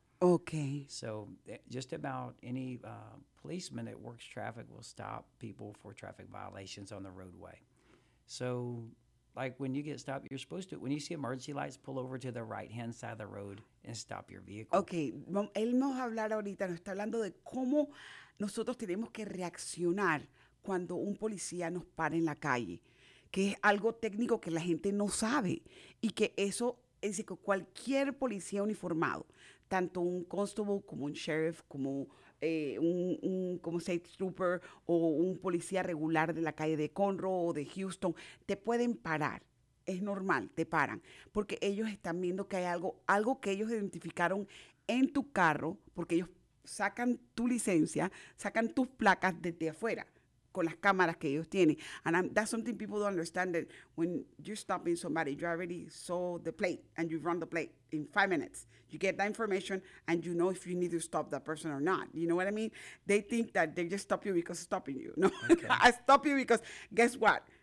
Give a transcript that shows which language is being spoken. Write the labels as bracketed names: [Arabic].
[English] Okay. So just about any policeman that works traffic will stop people for traffic violations on the roadway. So, like, when you get stopped, you're supposed to, when you see emergency lights, pull over to the right-hand side of the road and stop your vehicle. Okay. [Spanish] Él nos va a hablar ahorita, nos está hablando de cómo nosotros tenemos que reaccionar cuando un policía nos para en la calle, que es algo técnico que la gente no sabe y que eso es que cualquier policía uniformado, tanto un constable como un sheriff, como un como state trooper o un policía regular de la calle de Conroe o de Houston, te pueden parar. Es normal, te paran. Porque ellos están viendo que hay algo que ellos identificaron en tu carro, porque ellos sacan tu licencia, sacan tus placas desde afuera con las cámaras que ellos tienen. [English] And that's something people don't understand, that when you're stopping somebody, you already saw the plate and you run the plate. In 5 minutes, you get that information and you know if you need to stop that person or not. You know what I mean? They think that they just stop you because stopping you. No, okay. I stop you because guess what?